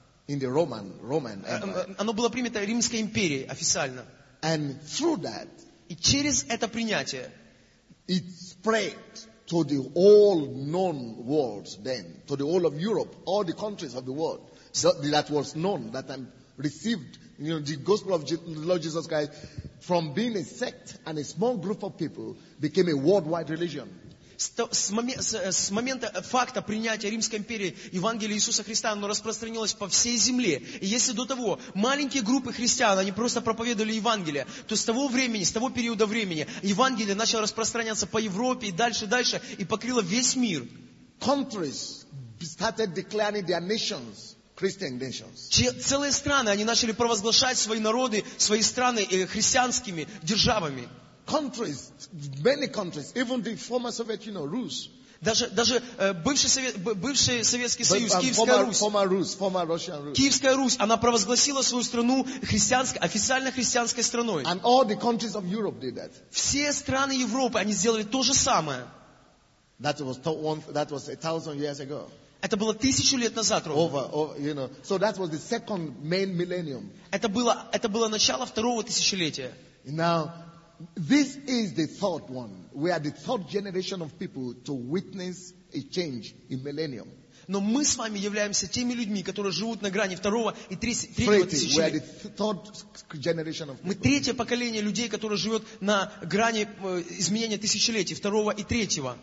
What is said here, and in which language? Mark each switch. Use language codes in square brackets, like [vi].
[en] In the Roman Empire. [ru] Оно было принято Римской империей официально. [en] And through that, [ru] и через это принятие, [en] it spread to the whole known world then, to the whole of Europe, all the countries of the world that was known, that time received, you know, the gospel of the Lord Jesus Christ, from being a sect and a small group of people, became a worldwide religion. [ru] С момента факта принятия Римской империи Евангелия Иисуса Христа, оно распространилось по всей земле. И если до того маленькие группы христиан, они просто проповедовали Евангелие, то с того времени, с того периода времени, Евангелие начало распространяться по Европе и дальше, дальше, и покрыло весь мир. [en] Countries started declaring their nations. Christian nations. [ru] Целые страны, они начали провозглашать свои народы, свои страны христианскими державами. [en] Countries, many countries, even the former Soviet Union, Rus. [ru] Даже бывший Советский Союз, Киевская Русь. [en] Former Russian Rus. [ru] Киевская Русь, она провозгласила свою страну христианской, официально христианской страной. [en] And all the countries of Europe did that. [ru] Все страны Европы, они сделали то же самое. [en] That was 1,000 years ago. [ru] Это было тысячу лет назад, ровно. [en] So that was the second main millennium. [ru] Это было начало второго тысячелетия. [en] Now, this is the third one. We are the third generation of people to witness a change in millennium. [ru] Но мы с вами являемся теми людьми, которые живут на грани второго и третьего тысячелетия. Мы третье поколение людей, которое живет на грани изменения тысячелетий, второго и третьего.